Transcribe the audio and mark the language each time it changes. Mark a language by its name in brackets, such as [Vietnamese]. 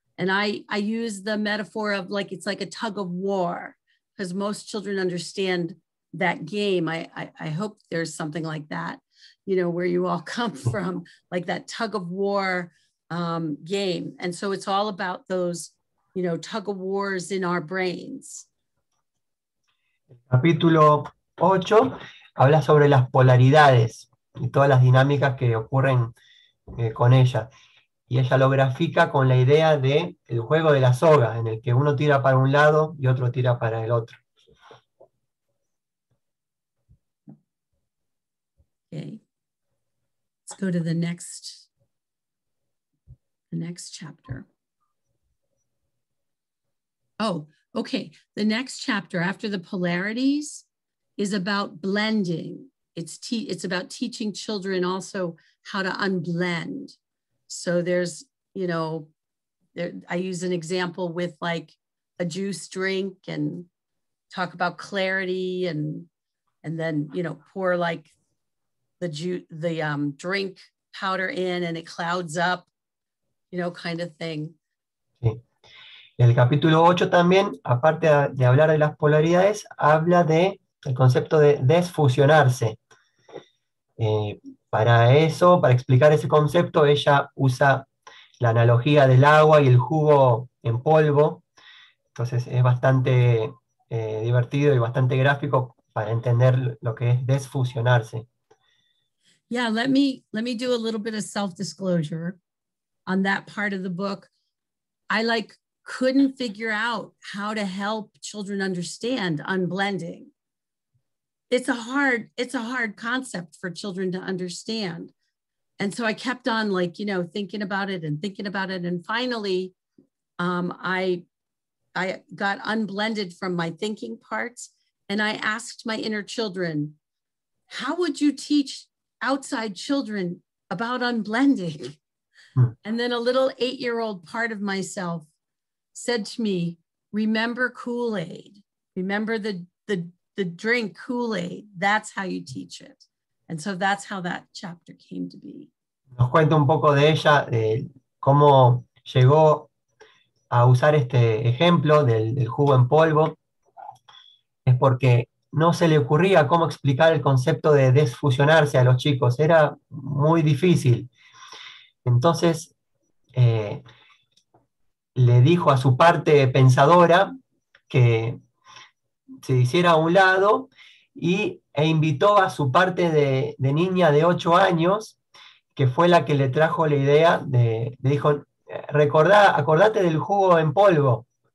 [English] And I use the metaphor of, like, it's like a tug of war, because most children understand that game. I hope there's something like that, you know, where you all come from, like that tug of war game. And so it's all about those, you know, tug of wars in our brains. [Spanish] Capítulo 8 habla sobre las polaridades y todas las dinámicas que ocurren con ellas. Y ella lo grafica con la idea de el juego de la soga, en el que uno tira para un lado y otro tira para el otro. [English] Okay. Let's go to the next chapter. Oh, okay. The next chapter after the polarities is about blending. It's about teaching children also how to unblend. So there's, you know, I use an example with, like, a juice drink and talk about clarity and then, you know, pour, like, the drink powder in and it clouds up, you know, kind of thing. [Spanish] Sí. El capítulo 8 también, aparte de hablar de las polaridades, habla de el concepto de desfusionarse. Para eso, para explicar ese concepto, ella usa la analogía del agua y el jugo en polvo. Entonces es bastante divertido y bastante gráfico para entender lo que es desfusionarse. [English] Yeah, let me do a little bit of self-disclosure on that part of the book. I, like, couldn't figure out how to help children understand unblending. It's a hard concept for children to understand. And so I kept on, like, you know, thinking about it. And finally, I got unblended from my thinking parts. And I asked my inner children, how would you teach outside children about unblending? Hmm. And then a little 8-year-old part of myself said to me, remember Kool-Aid, remember the drink Kool-Aid, that's how you teach it. And so that's how that chapter came to be. [Spanish] Nos cuenta un poco de ella, de cómo llegó a usar este ejemplo del jugo en polvo. Es porque no se le ocurría cómo explicar el concepto de desfusionarse a los chicos. Era muy difícil. Entonces, le dijo a su parte pensadora que se hiciera a un lado e invitó a su parte de niña de 8 años, que fue la que le trajo la idea, le dijo, acordate del jugo en polvo,